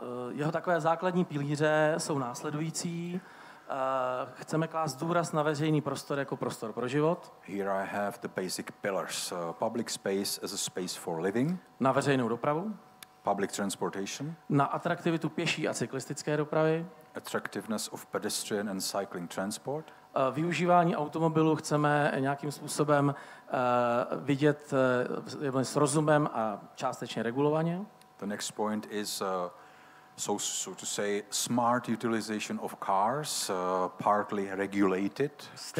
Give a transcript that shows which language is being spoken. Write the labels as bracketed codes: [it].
[cs] Jeho takové základní pilíře jsou následující. Chceme klást důraz na veřejný prostor jako prostor pro život. [en] Here I have the basic pillars. Public space as a space for living. [cs] Na veřejnou dopravu. [en] Public transportation. [cs] Na atraktivitu pěší a cyklistické dopravy. [en] Attractiveness of pedestrian and cycling transport. [cs] Využívání automobilu chceme nějakým způsobem vidět s rozumem a částečně regulovaně. [en] The next point is so to say smart utilization of cars partly regulated.